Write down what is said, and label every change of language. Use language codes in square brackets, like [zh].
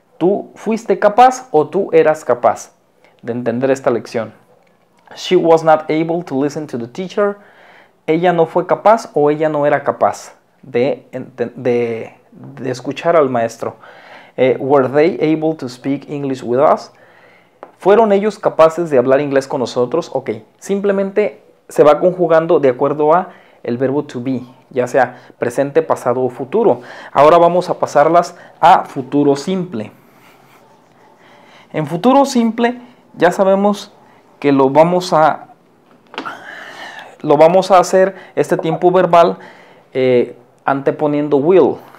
[es] Tú fuiste capaz o tú eras capaz de entender esta lección. [en] She was not able to listen to the teacher. [es] Ella no fue capaz o ella no era capaz de escuchar al maestro. [en] Were they able to speak English with us? [es] ¿Fueron ellos capaces de hablar inglés con nosotros? Ok, simplemente se va conjugando de acuerdo a el verbo to be, ya sea presente, pasado o futuro. Ahora vamos a pasarlas a futuro simple. En futuro simple ya sabemos que lo vamos a hacer este tiempo verbal anteponiendo will.